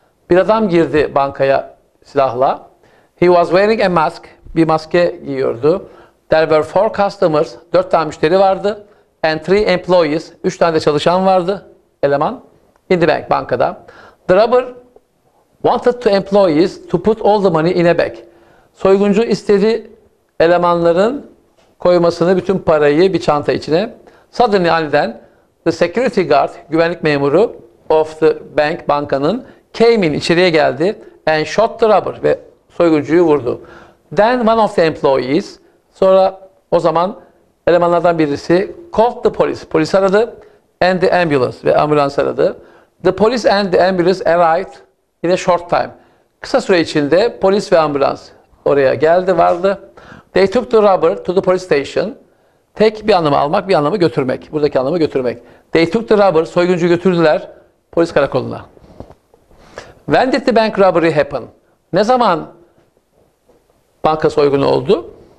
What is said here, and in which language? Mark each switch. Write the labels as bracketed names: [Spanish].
[Turkish] Bir adam girdi bankaya silahla. [English] He was wearing a mask. [Turkish] Bir maske giyiyordu. [English] There were four customers. [Turkish] 4 tane müşteri vardı. [English] And three employees. [Turkish] 3 tane de çalışan vardı. Eleman. [English] In the bank, [Turkish] bankada. [English] The robber wanted to employees to put all the money in a bag. [Turkish] Soyguncu istedi elemanların koymasını, bütün parayı bir çanta içine. [English] Suddenly, [Turkish] aniden [English] the security guard, [Turkish] güvenlik memuru [English] of the bank, [Turkish] bankanın, [English] came in, [Turkish] içeriye geldi [English] and shot the robber [Turkish] ve soyguncuyu vurdu. [English] Then one of the employees, [Turkish] sonra o zaman elemanlardan birisi [English] called the police, [Turkish] polis aradı [English] and the ambulance [Turkish] ve ambulans aradı. [English] The police and the ambulance arrived in a short time. [Turkish] Kısa süre içinde polis ve ambulans oraya geldi, vardı. [English] They took the robber to the police station. [Turkish] Tek bir anlamı almak, bir anlamı götürmek. Buradaki anlamı götürmek. [English] They took the robber, [Turkish] soyguncuyu götürdüler polis karakoluna. [English] When did the bank robbery happen? [Turkish] Ne zaman banka soygunu oldu?